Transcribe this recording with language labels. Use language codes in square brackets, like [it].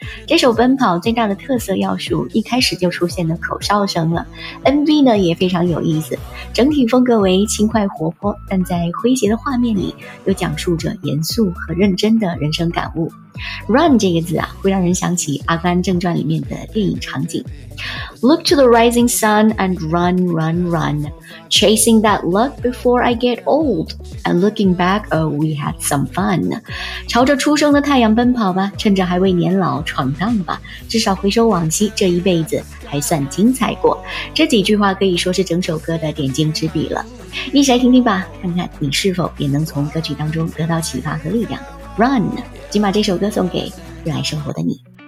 [zh] 这首奔跑最大的特色要数一开始就出现的口哨声了， MV 呢也非常有意思，整体风格为轻快活泼，但在诙谐的画面里又讲述着严肃和认真的人生感悟。 Run 这个字啊，会让人想起《阿甘正传》里面的电影场景。 [en] Look to the rising sun and run, run, run, chasing that luck before I get old, and looking back, oh, we had some fun. [zh] 朝着初升的太阳奔跑吧，趁着还未年老闯荡吧，至少回首往昔，这一辈子还算精彩过。这几句话可以说是整首歌的点睛之笔了。一起来听听吧，看看你是否也能从歌曲当中得到启发和力量。 Run， 请把这首歌送给热爱生活的你。